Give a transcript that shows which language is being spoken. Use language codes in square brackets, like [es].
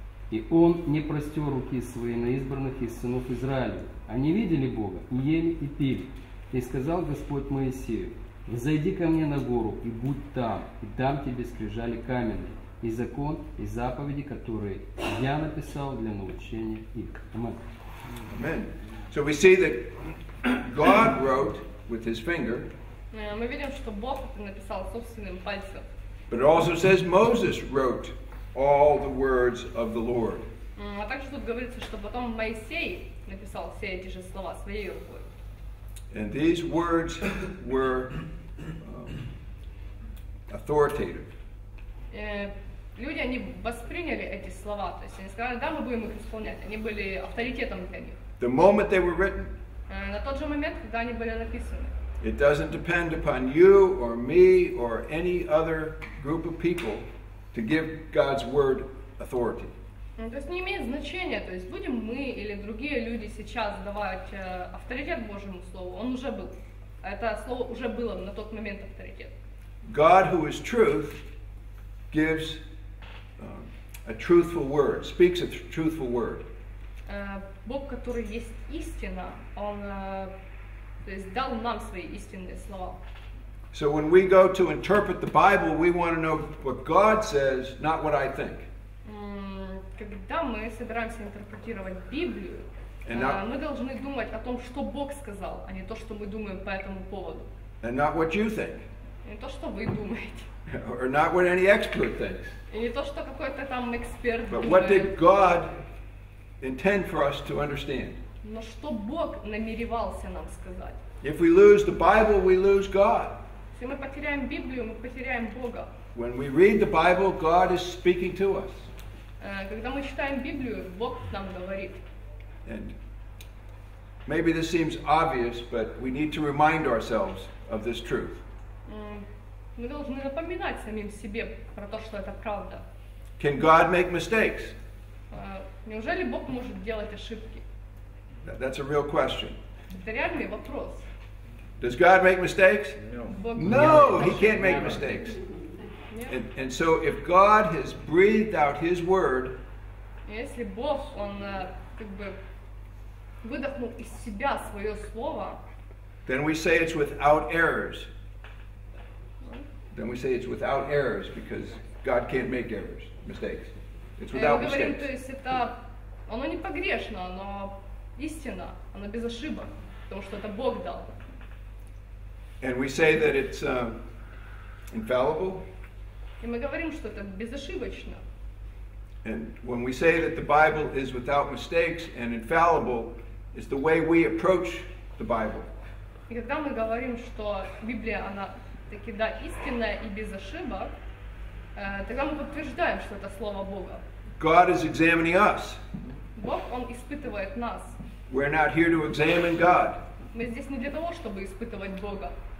[ru] И он не простер руки свои на избранных из сынов Израиля. Они видели Бога, и ели и пили. И сказал Господь Моисею: «Взойди ко мне на гору и будь там, и дам тебе скрижали каменные, и закон, и заповеди, которые я написал для научения их». Амин. Амин. [en] So we see that God wrote with his finger. [ru] Мы видим, что Бог написал собственным пальцем. [en] But it also says Moses wrote all the words of the Lord. [ru] А также тут говорится, что потом Моисей написал все эти же слова своей рукой. [en] And these words were authoritative. [ru] Люди, они восприняли эти слова, то есть они сказали: «Да, мы будем их исполнять». Они были авторитетом для них. [en] The moment they were written. [ru] На тот же момент, когда они были написаны. [en] It doesn't depend upon you or me or any other group of people to give God's word authority. [ru] То есть не имеет значения, то есть будем мы или другие люди сейчас давать авторитет Божьему слову, он уже был. Это слово уже было на тот момент авторитет. [en] God, who is truth, gives a truthful word, speaks a truthful word. [ru] Бог, который есть истина, он то есть дал нам свои истинные слова. [en] So when we go to interpret the Bible, we want to know what God says, not what I think. [ru] Когда мы собираемся интерпретировать Библию, мы должны думать о том, что Бог сказал, а не то, что мы думаем по этому поводу. [en] And not what you think. [ru] Не то, что вы думаете. [en] Or not what any expert thinks. [ru] И не то, что какой-то там эксперт. [en] But what did God intend for us to understand? [ru] Но что Бог намеревался нам сказать? [en] If we lose the Bible, we lose God. [ru] Если мы потеряем Библию, мы потеряем Бога. [en] When we read the Bible, God is speaking to us. [ru] Когда мы читаем Библию, Бог нам говорит. [en] And maybe this seems obvious, but we need to remind ourselves of this truth. [ru] Мы должны напоминать самим себе про то, что это правда. [en] Can God make mistakes? [ru] Неужели Бог может делать ошибки? [en] That's a real question. [ru] Это реальный вопрос. [en] Does God make mistakes? No. No, he can't make mistakes. Yeah. And so if God has breathed out his word, [ru] если Бог, он как бы выдохнул из себя свое слово, [en] then we say it's without errors. Then we say it's without errors, because God can't make errors, mistakes. It's without mistakes. [ru] Мы говорим, то есть это, оно не погрешно, оно истина, оно без ошибок, потому что это Бог дал. [en] And we say that it's infallible. [ru] И мы говорим, что это безошибочно. [en] And when we say that the Bible is without mistakes and infallible, it's the way we approach the Bible. [ru] И когда мы говорим, что Библия, она таки, да, истинная и без ошибок, тогда мы подтверждаем, что это Слово Бога. [en] God is examining us. [ru] Бог, он испытывает нас. [en] We're not here to examine God. [ru] Мы здесь не для того, чтобы испытывать Бога.